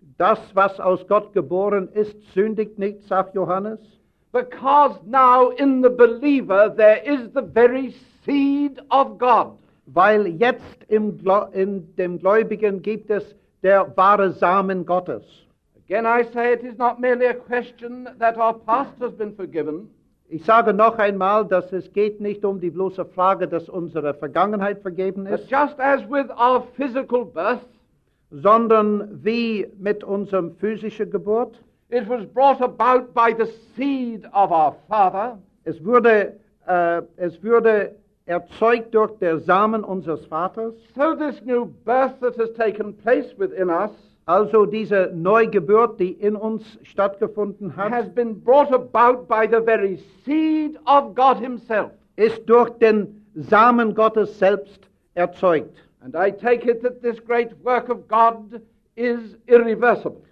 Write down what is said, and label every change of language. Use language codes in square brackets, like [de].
[de] Das, was aus Gott geboren ist, sündigt nicht, sagt Johannes. [en] Because now in the believer there is the very seed of God. [de] Weil jetzt in dem Gläubigen gibt es der wahre Samen Gottes. [en] Again I say it is not merely a question that our past has been forgiven. [de] Ich sage noch einmal, dass es geht nicht um die bloße Frage, dass unsere Vergangenheit vergeben ist. [en] But just as with our physical birth, [de] sondern wie mit unserem physischen Geburt, [en] It was brought about by the seed of our father. [de] Es wurde erzeugt durch der Samen unseres Vaters. [en] So this new birth that has taken place within us, [de] also diese Neugeburt, die in uns stattgefunden hat, [en] has been brought about by the very seed of God himself. [de] Ist durch den Samen Gottes selbst erzeugt. [en] And I take it that this great work of God is irreversible.